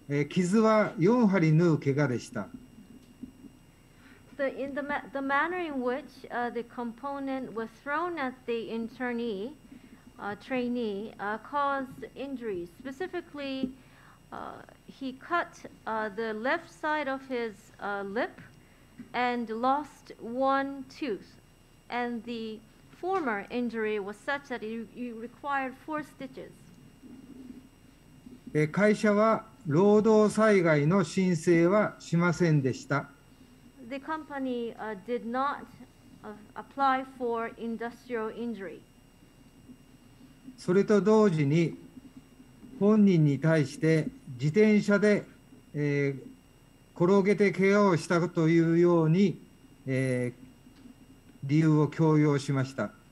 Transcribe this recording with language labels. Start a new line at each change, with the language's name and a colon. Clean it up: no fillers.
Japanese: 傷は四針縫う怪我でした。
English: The manner in which the component was thrown at the internee. Caused injuries. Specifically, he cut the left side of his lip and lost one tooth. And the former injury was such that he required four stitches.
Japanese: 会社は労働災害の申請はしませんでした。
English: The company did not apply for industrial injury.
Japanese: それと同時に本人に対して自転車で転げて怪我をしたというように理由を強要しました。